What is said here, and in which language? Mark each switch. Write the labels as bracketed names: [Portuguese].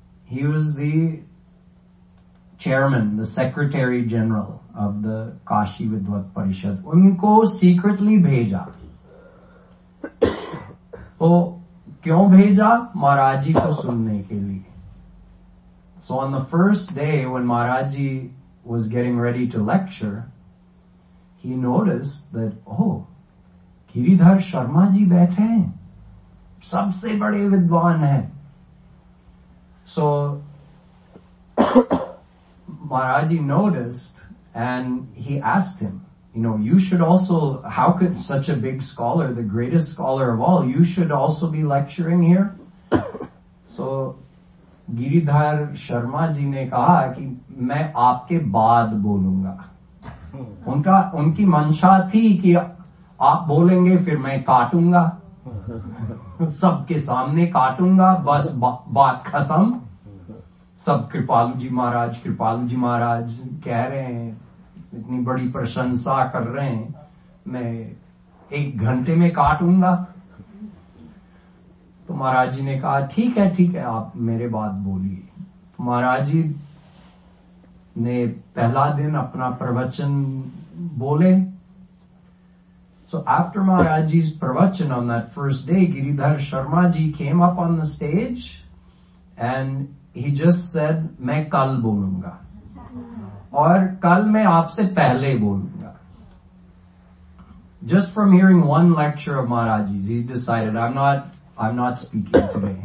[English] He was the chairman, the secretary general of the Kashi Vidvat Parishad. [Hindi] उनको सीक्रेटली भेजा. तो क्यों भेजा? महाराज जी को सुनने के लिए. [English] so on the first day when Maharaj ji was getting ready to lecture, he noticed that, oh, Giridhar Sharma ji [Hindi] baithe hain, sabse bade vidwan hain. [English] So Maharaj ji noticed and he asked him, you know, you should also, how could such a big scholar, the greatest scholar of all, you should also be lecturing here? [Hindi] So Giridhar Sharma ji ने कहा कि मैं आपके बाद बोलूंगा. उनका उनकी मंशा थी कि आप बोलेंगे फिर मैं काटूंगा, सबके सामने काटूंगा, बस बात खत्म. सब कृपालु जी महाराज कह रहे हैं, इतनी बड़ी प्रशंसा कर रहे हैं, मैं एक घंटे में काटूंगा. तो महाराज जी ने कहा ठीक है आप मेरे बाद बोलिए. तो महाराज जी ने पहला दिन अपना प्रवचन बोले. [English] so after Maharaj ji pravachan on that first day, Giridhar Sharma ji came up on the stage and he just said [Hindi] मैं कल बोलूंगा और कल मैं आपसे पहले बोलूंगा. [English] just from hearing one lecture of Maharaji's, he's decided, I'm not speaking today.